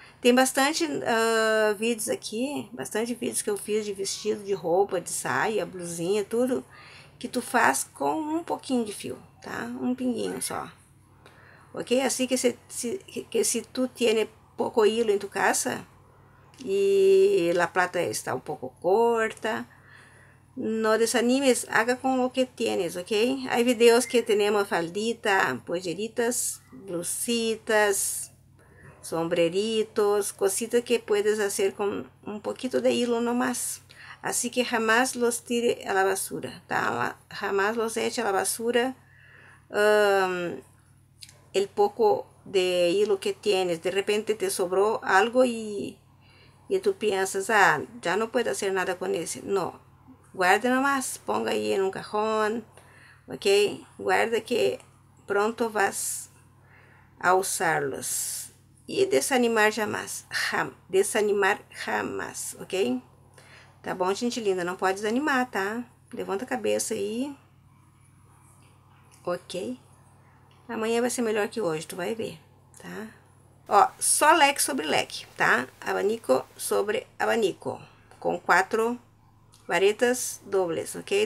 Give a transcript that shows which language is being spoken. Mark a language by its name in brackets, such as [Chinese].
[Portuguese] Tem bastante vídeos aqui, bastante vídeos que eu fiz de vestido, de roupa, de saia, blusinha, tudo, que tu faz com um pouquinho de fio, tá? Um pinguinho só. Ok? [Spanish] Assim que se tu tiene pouco hilo em tu casa e la plata está um pouco corta, [Portuguese] não desanimes, [Spanish] haga com o que tienes, ok? Há videos que tenemos faldita, polleritas, blusitas, sombreritos, cositas que puedes hacer con un poquito de hilo nomás. Así que jamás los tire a la basura, tá? Jamás los eche a la basura. El poco de hilo que tienes, de repente te sobró algo y tú piensas, ah, ya no puedo hacer nada con ese. No, guarda nomás, ponga ahí en un cajón, ¿ok? Guarda que pronto vas a usarlos. Y desanimar jamás, desanimar jamás, ¿ok? [Portuguese] Tá bom, gente linda, não pode desanimar, tá? Levanta a cabeça aí, ok? Amanhã vai ser melhor que hoje, tu vai ver, tá? Ó, só leque sobre leque, tá? [Spanish] Abanico sobre abanico, [Portuguese] com quatro varetas dobles, ok?